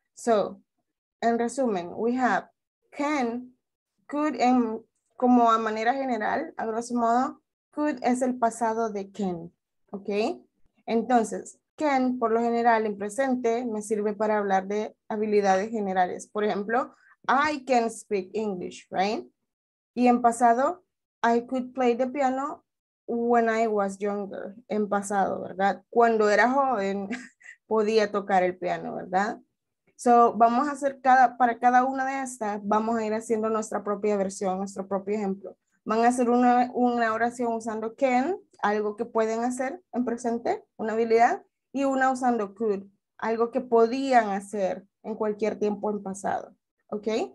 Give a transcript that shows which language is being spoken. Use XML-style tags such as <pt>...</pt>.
<es>So, en resumen,</es> <en>we have can, could, and</en> <es>como a manera general, a grosso modo, could es el pasado de can. Ok, entonces, can por lo general en presente me sirve para hablar de habilidades generales. Por ejemplo,</es> <en>I can speak English, right?</en> <es>Y en pasado,</es> <en>I could play the piano when I was younger.</en> <es>En pasado, ¿verdad? Cuando era joven, podía tocar el piano, ¿verdad? So, vamos a hacer para cada una de estas, vamos a ir haciendo nuestra propia versión, nuestro propio ejemplo. Van a hacer una oración usando can, algo que pueden hacer en presente, una habilidad, y una usando could, algo que podían hacer en cualquier tiempo en pasado. ¿Ok?</es>